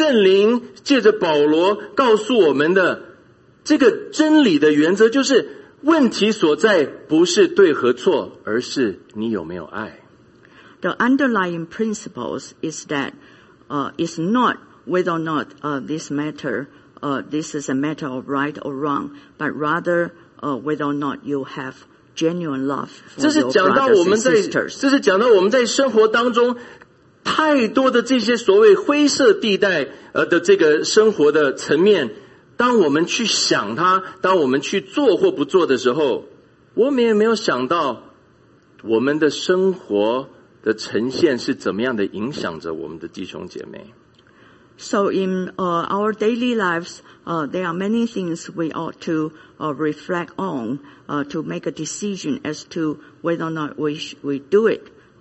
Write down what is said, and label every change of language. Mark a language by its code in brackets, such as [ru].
[zh] 圣灵借着保罗告诉我们的这个真理的原则，就是问题所在不是对和错，而是你有没有爱。 [en] The underlying principles is that, is not whether or not, this matter, this is a matter of right or wrong, but rather, whether or not you have genuine love for your brothers and sisters. [zh] 这是讲到我们在生活当中太多的这些所谓灰色地带，的这个生活的层面。当我们去想它，当我们去做或不做的时候，我们也没有想到我们的生活的呈现是怎么样的影响着我们的弟兄姐妹。 [en] So in our daily lives, there are many things we ought to reflect on, to make a decision as to whether or not we do it.